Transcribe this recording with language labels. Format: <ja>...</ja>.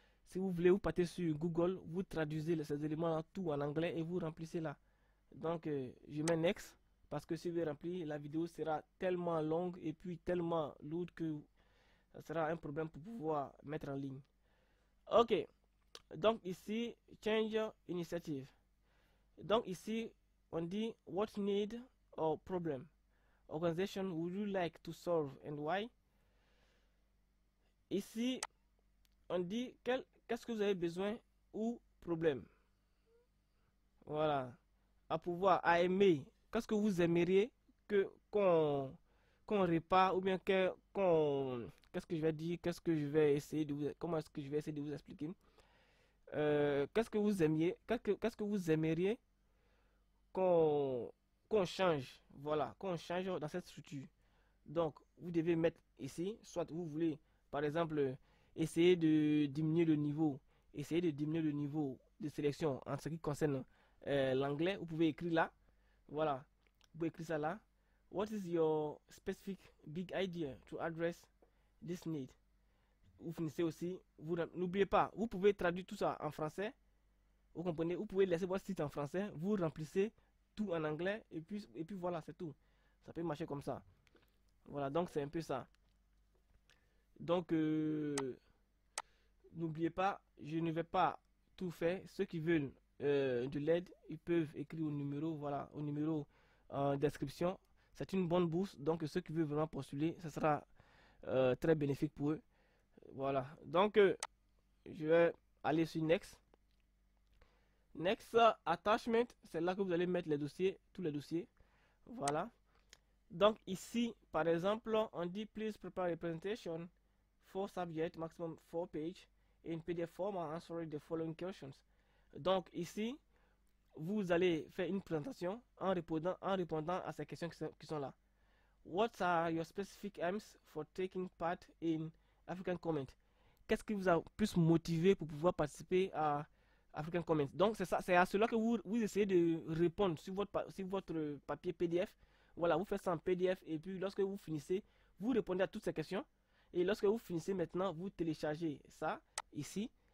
<fr>Si vous voulez, vous partez sur Google, vous traduisez ces éléments-là tout en anglais et vous remplissez là. Donc, je mets next parce que si vous remplissez, la vidéo sera tellement longue et puis tellement lourde que ça sera un problème pour pouvoir mettre en ligne. Ok. Donc ici, change initiative. Donc ici, on dit</fr> <en>what need or problem organization would you like to solve and why?</en> <fr>Ici, on dit qu'est-ce que vous avez besoin ou problème? Voilà. À pouvoir, à aimer. Qu'est-ce que vous aimeriez que qu'on répare ou bien qu'est-ce que je vais dire? Qu'est-ce que je vais essayer de vous, comment est-ce que je vais essayer de vous expliquer? Qu'est-ce que vous aimiez, qu'est-ce que vous aimeriez qu'on change, voilà, qu'on change dans cette structure. Donc, vous devez mettre ici, soit vous voulez, par exemple, essayer de diminuer le niveau, essayer de diminuer le niveau de sélection en ce qui concerne l'anglais. Vous pouvez écrire là, voilà, vous pouvez écrire ça là.</fr> <en>What is your specific big idea to address this need?</en> <fr>Vous finissez aussi, vous n'oubliez pas, vous pouvez traduire tout ça en français. Vous comprenez, vous pouvez laisser votre site en français, vous remplissez tout en anglais, et puis voilà, c'est tout. Ça peut marcher comme ça. Voilà, donc c'est un peu ça. Donc, n'oubliez pas, je ne vais pas tout faire. Ceux qui veulent de l'aide, ils peuvent écrire au numéro, voilà, au numéro en description. C'est une bonne bourse, donc ceux qui veulent vraiment postuler, ce sera très bénéfique pour eux. Voilà, donc je vais aller sur Next. Next Attachment, c'est là que vous allez mettre les dossiers, tous les dossiers. Voilà. Donc ici, par exemple, on dit</fr> <en>Please prepare a presentation, 4 subjects, maximum 4 pages, in PDF format, answering the following questions.</en> <fr>Donc ici, vous allez faire une présentation en répondant à ces questions qui sont là.</fr> <en>What are your specific aims for taking part in African Comment.</en> <fr>Qu'est-ce qui vous a plus motivé pour pouvoir participer à African Comment? Donc c'est ça, c'est à cela que vous essayez de répondre sur votre papier PDF. Voilà, vous faites ça en PDF et puis lorsque vous finissez, vous répondez à toutes ces questions. Et lorsque vous finissez maintenant, vous téléchargez ça ici.</fr>